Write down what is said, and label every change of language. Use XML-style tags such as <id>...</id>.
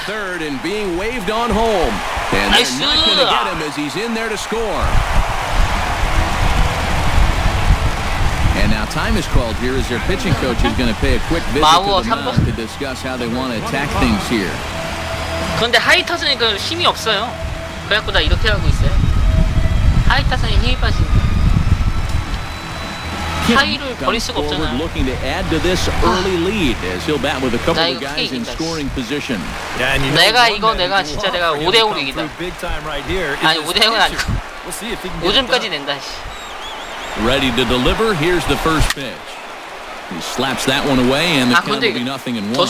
<en>Third and being waved on home. And they're not gonna get him as he's in there to score. And now time is called here as their pitching coach is going to pay a quick visit to the mound to discuss how they want to attack things here.</en> <ko>그런데 하이터슨이가 힘이 없어요. 그래갖고 나 이렇게 하고 있어요. 하이터슨이 힘이 빠진. 하이를 버릴 수가 없잖아. 아, 나 이거 내가 이거 내가 진짜 내가 5대 5 이기다. 아니 5대 5 아니고 5점까지 낸다.</ko> <en>Ready to deliver. Here's the first pitch. He slaps that one away and the count will be nothing and one.</en>